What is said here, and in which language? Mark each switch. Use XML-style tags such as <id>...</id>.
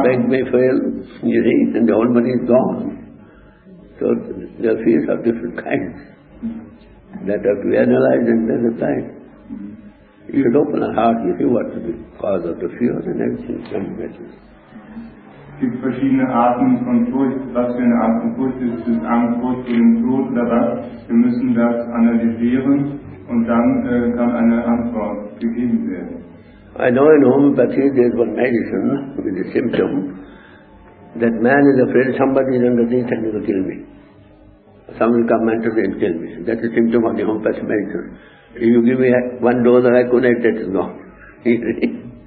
<en>bank may fail, you see, and the whole money is gone. So the fears are different kinds that have to be analyzed and then applied. You should open a heart, you see what is the cause of the fear and everything can be better.</en> <de>Es gibt verschiedene Arten von Furcht. Was für eine Art von Furcht ist, ist Angst vor dem Tod oder was? Wir müssen das analysieren und dann kann eine Antwort gegeben werden.</de> <en>I know in homeopathy there is one medicine with a symptom that man is afraid somebody is underneath and he will kill me. Some will come and kill me. That's the symptom of the homeopathy medicine. If you give me one dose of aconite, that is gone.</en>